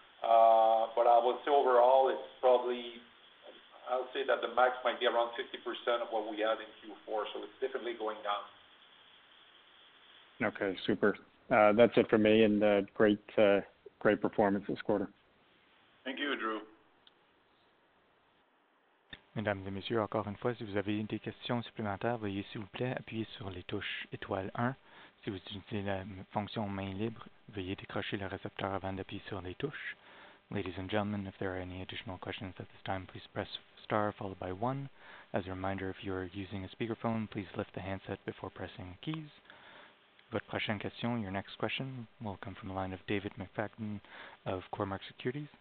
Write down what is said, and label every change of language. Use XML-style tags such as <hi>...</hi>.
<en>But I would say overall, it's probably, I'll say that the max might be around 50% of what we had in Q4. So it's definitely going down. Okay, super. That's it for me, and great performance this quarter. Thank you, Drew.</en> <fr>Mesdames et messieurs, encore une fois, si vous avez des questions supplémentaires, veuillez s'il vous plaît appuyer sur les touches étoile 1. Si vous utilisez la fonction main libre, veuillez décrocher le récepteur avant d'appuyer sur les touches.</fr> <en>Ladies and gentlemen, if there are any additional questions at this time, please press star followed by 1. As a reminder, if you are using a speakerphone, please lift the handset before pressing the keys.</en> <fr>Votre prochaine question,</fr> <en>your next question, will come from the line of David McFadden of Cormark Securities.</en>